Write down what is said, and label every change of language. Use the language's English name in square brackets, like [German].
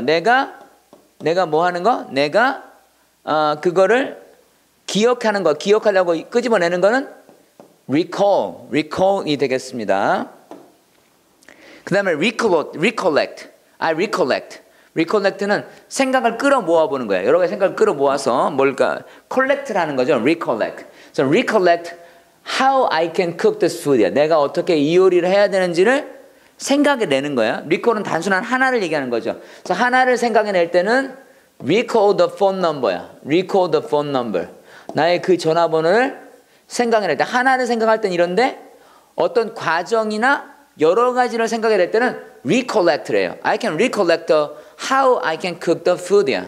[Korean] 내가 뭐 하는 거? 내가 그거를 기억하는 거, 기억하려고 끄집어내는 거는 recall, recall이 되겠습니다. 그 다음에 recollect, [English] I recollect. [Korean] Recollect는 생각을 끌어모아보는 거예요. 여러 가지 생각을 끌어모아서 뭘까? Collect를 하는 거죠. Recollect. [English] So recollect how I can cook this food. [Korean] 내가 어떻게 이 요리를 해야 되는지를 생각해 내는 거예요. Recall은 단순한 하나를 얘기하는 거죠. 그래서 하나를 생각해 낼 때는 [English] recall the phone number [Korean] 야. [English] Recall the phone number. [Korean] 나의 그 전화번호를 생각해 낼 때 하나를 생각할 때는 이런데 어떤 과정이나 여러 가지를 생각해 낼 때는 recollect래요. [English] I can recollect the How I can cook the food.